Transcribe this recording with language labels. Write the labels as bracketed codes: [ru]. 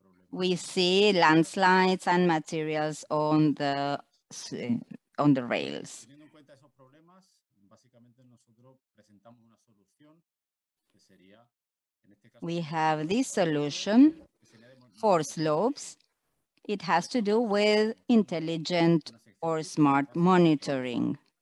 [en] We see landslides and materials on the rails. [es] Teniendo en cuenta esos problemas, básicamente nosotros presentamos una solución que sería, en este caso, [en] we have this solution for slopes. It has to do with intelligent or smart monitoring.